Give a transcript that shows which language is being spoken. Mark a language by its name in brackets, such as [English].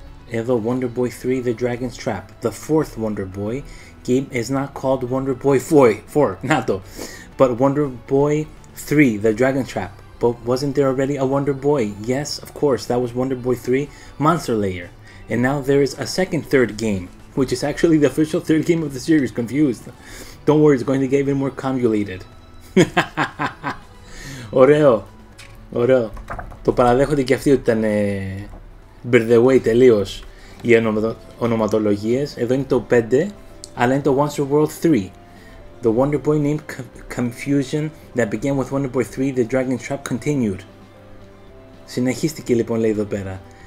[Greek] Εδώ [English] Wonder Boy 3 The Dragon's Trap, the fourth Wonder Boy game is not called Wonder Boy 4, not though, but Wonder Boy 3 The Dragon's Trap. But wasn't there already a Wonder Boy? Yes, of course, that was Wonder Boy 3 Monster Lair. And now there is a second third game, which is actually the official third game of the series. Confused. Don't worry, it's going to get even more convoluted. [Greek] Ωραίο. Ωραίο. Το παραδέχονται και αυτοί ότι ήταν μπερδεουέι τελείως οι ονοματολογίες. Εδώ είναι το 5, αλλά είναι το Monster World 3. [English] The Wonder Boy name confusion that began with Wonder Boy 3, the Dragon's Trap continued. [Greek] Συνεχίστηκε λοιπόν, λέει εδώ πέρα.